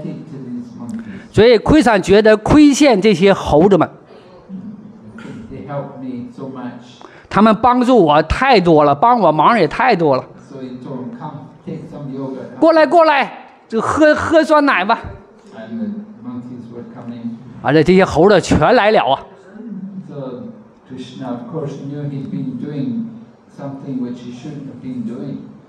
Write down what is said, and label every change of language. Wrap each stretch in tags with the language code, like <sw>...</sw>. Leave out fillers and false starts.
<en>So Lord Krishna feels indebted to these monkeys. indebted to these monkeys. They help me so much.</en> <zh>他们帮助我太多了，帮我忙也太多了。</zh> <en>So he told him, "Come, take some yogurt."</en> <zh>过来，就喝酸奶吧。</zh> <en>And the monkeys were coming.</en> <zh>而且这些猴子全来了啊。</zh> <en>So Krishna, of course, knew he'd been doing something which he shouldn't have been doing.</en>